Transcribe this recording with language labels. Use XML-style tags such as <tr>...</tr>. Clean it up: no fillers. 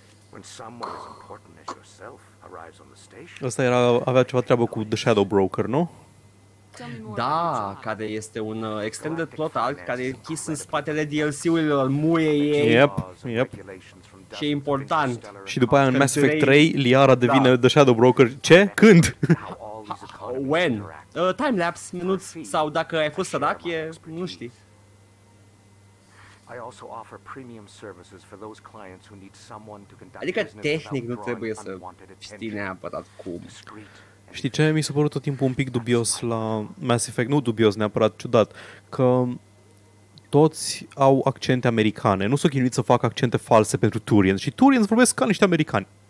<en>When someone as important as yourself arrives on the station.</en> <ro>Asta era, avea ceva treabă cu The Shadow Broker, nu? Da, care este un</ro> <en>extended plot arc</en> <ro>care e închis în spatele DLC-urilor muiei ei.</ro> <en>Yep, yep.</en> <ro>Și e important. Și după aia în Mass Effect 3, Liara devine The Shadow Broker. Ce? Când?</ro> <en>When?</en> <ro>Timelapse, minuți, sau dacă ai fost sărac, e... nu știi.</ro> <en>I also offer premium services for those clients who need someone to conduct business.</en> <ro>Adică tehnic nu trebuie să știi neapărat cum. Știi ce? Mi s-a părut tot timpul un pic dubios la Mass Effect. Nu dubios, neapărat ciudat. Că toți au accente americane. Nu s-au chinuit să facă accente false pentru Turian. Și Turians vorbesc ca niște americani.</ro>